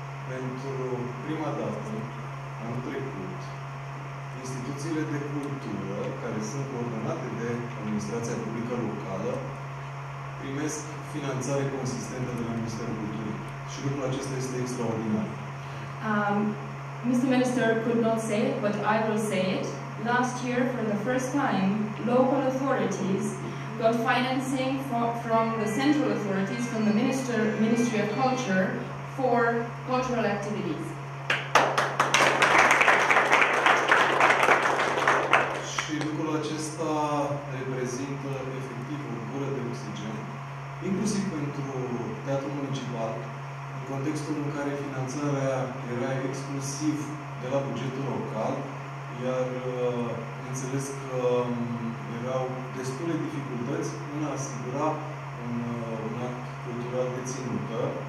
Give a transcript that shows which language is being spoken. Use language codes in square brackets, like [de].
[ro] Pentru prima dată, anul trecut, instituțiile de cultură, care sunt coordonate de administrația publică locală, primesc finanțare consistentă de la Ministerul Culturii. Și lucrul acesta este extraordinar. [en] Mr. Minister could not say it, but I will say it. Last year, for the first time, local authorities got financing from the central authorities, from the Ministry of Culture, for cultural activities. [ro] Și lucrul acesta reprezintă efectiv o gură de oxigen, inclusiv pentru teatrul municipal, în contextul în care finanțarea era exclusiv de la bugetul local, iar înțeles că erau destule dificultăți în a asigura un act cultural de ținută.